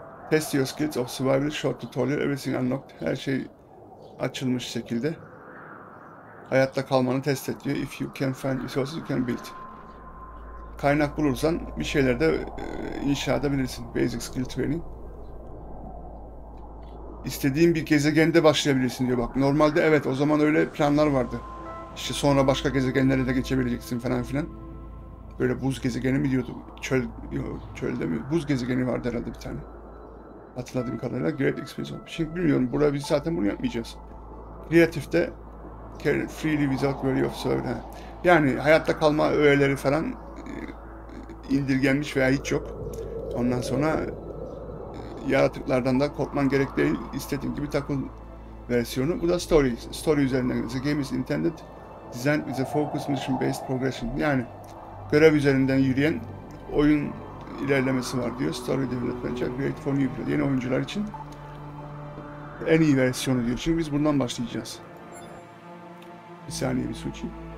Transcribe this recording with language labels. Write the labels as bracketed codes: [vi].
[en] Test your skills of survival, short tutorial, everything unlocked. [tr] Her şey açılmış şekilde. Hayatta kalmanı test et diyor. [en] If you can find resources, you can build. [tr] Kaynak bulursan bir şeyler de inşa edebilirsin. [en] Basic skill training. [tr] İstediğin bir gezegende başlayabilirsin diyor bak. Normalde evet, o zaman öyle planlar vardı. İşte sonra başka gezegenlere de geçebileceksin falan filan. Böyle buz gezegeni mi diyordu? Çölde mi? Buz gezegeni vardı herhalde bir tane. Hatırladığım kadarıyla Great Expansion. Şimdi bilmiyorum. Burada biz zaten bunu yapmayacağız. [en] Creative'de freely without worry of survival. [tr] Yani hayatta kalma öğeleri falan indirgenmiş veya hiç yok. Ondan sonra yaratıklardan da korkman gerek değil. İstediğin gibi takıl versiyonu. Bu da story. Story üzerinden. [en] The game is intended designed with a focus mission based progression. [tr] Yani görev üzerinden yürüyen oyun ilerlemesi var diyor. [en] Story development great for new player. [tr] Yeni oyuncular için en iyi versiyonu diyor. Şimdi biz bundan başlayacağız. Bir saniye bir switch'im.